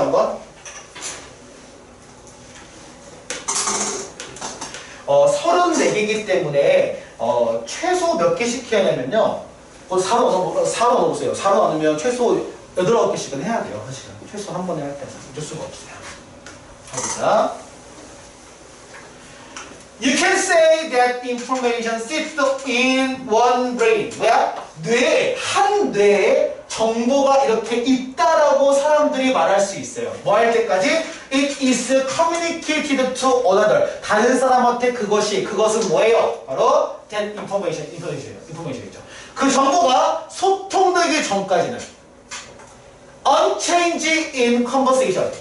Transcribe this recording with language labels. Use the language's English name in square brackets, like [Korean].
[Korean] 한번 34개이기 때문에 최소 몇 개씩 해야 되냐면요, 4로 넣어보세요. 4로 넣으면 최소 8, 9개씩은 해야 돼요. 사실은 최소 한 번에 할 때는 어쩔 수가 없어요. 가보자. [English] You can say that information sits in one brain. [Korean] 뭐야? 뇌, 한 뇌에 정보가 이렇게 있다라고 사람들이 말할 수 있어요. 뭐 할 때까지? [English] It is communicated to another. [Korean] 다른 사람한테 그것이, 그것은 뭐예요? 바로 [English] that information, [Korean] information이죠. 그 정보가 소통되기 전까지는 [English] unchanged in conversation.